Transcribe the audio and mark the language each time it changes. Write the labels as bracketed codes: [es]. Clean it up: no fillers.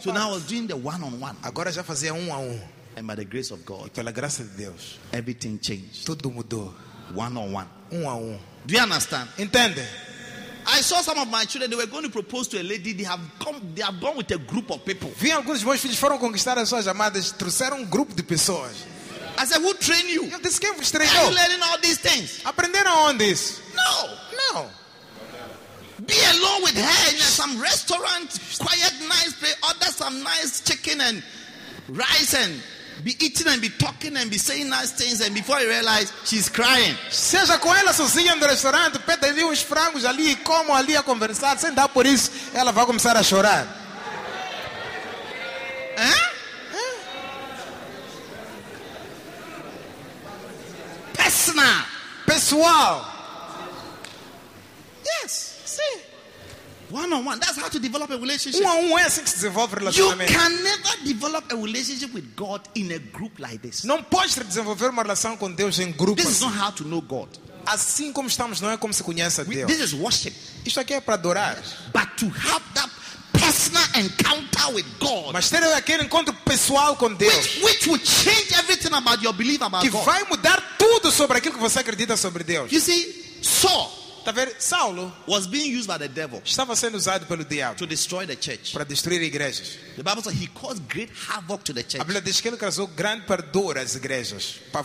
[en] parte. So now I was doing the one-on-one. [pt] Agora já fazia a um. [en] And by the grace of God. [pt] E pela graça de Deus. [en] Everything changed. [pt] Tudo mudou. [en] One-on-one. [pt] Um a um. [en] Do you understand? [pt] Entende? [en] I saw some of my children, they were going to propose to a lady. They have gone with a group of people. [pt] Vi alguns meus filhos foram conquistar as suas amadas, trouxeram grupo de pessoas. [en] I said, who trained you? [pt] Eu disse, quem vos treinou? [en] Are you learning all these things? [pt] Aprenderam onde isso? [en] No. Be alone with her in some restaurant, quiet, nice place, order some nice chicken and rice and be eating and be talking and be saying nice things, and before you realize, she's crying. [pt] Seja com ela sozinha no restaurante, pede ali uns frangos ali e como ali a conversar, sem dar por isso, ela vai começar a chorar. [en] Personal. [pt] Pessoal. [en] Yes. One on one. That's how to develop a relationship. [pt] É assim que se desenvolve relacionamento. [en] You can never develop a relationship with God in a group like this. [pt] Não pode desenvolver uma relação com Deus em grupo. [en] This [pt] assim. [en] Is not how to know God. [pt] Assim como estamos, não é como se conhece a Deus. [en] This is worship. [pt] Isto aqui é para adorar. [en] But to have that personal encounter with God. [pt] Mas ter aquele encontro pessoal com Deus. [en] Which will change everything about your belief about [pt] que [en] God. [pt] Que vai mudar tudo sobre aquilo que você acredita sobre Deus. [en] You see, so. [pt] Saulo [en] was being used by the devil [pt] estava sendo usado pelo diabo [en] to destroy the church. [pt] Para destruir igrejas. [en] The Bible says he caused great havoc to the church. [pt] A Bíblia diz que ele causou grande pavor às igrejas.